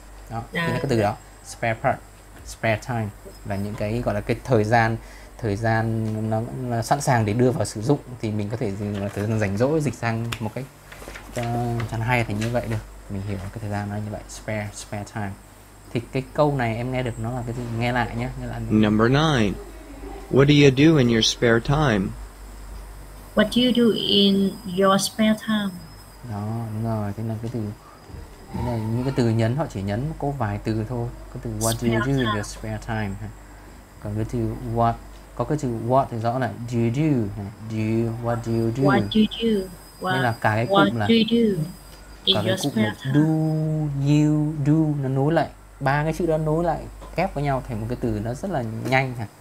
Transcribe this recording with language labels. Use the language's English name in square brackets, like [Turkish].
[Vietnamese] Đó, thì cái từ đó, spare part, spare time là những cái gọi là cái thời gian nó sẵn sàng để đưa vào sử dụng, thì mình có thể dùng là thời gian rảnh rỗi, dịch sang một cách chẳng hay thành như vậy được. Mình hiểu cái thời gian nó như vậy, spare time. Thì cái câu này em nghe được nó là cái gì? Nghe lại nhé. Nghe lại. [English] Number 9. What do you do in your spare time? What do you do in your spare time? [Vietnamese] Đó, đúng rồi. Thế là cái từ, thế là những cái từ nhấn, họ chỉ nhấn có vài từ thôi. Có từ [English] what spare do you do time. In your spare time. [Vietnamese] Còn cái từ what, có cái từ what thì rõ là [English] do you do. What do you do? What do you do? [Vietnamese] Nên là cả cái cụm là do you do, nó nối lại ba cái chữ đó, nối lại ghép với nhau thành một cái từ nó rất là nhanh hả.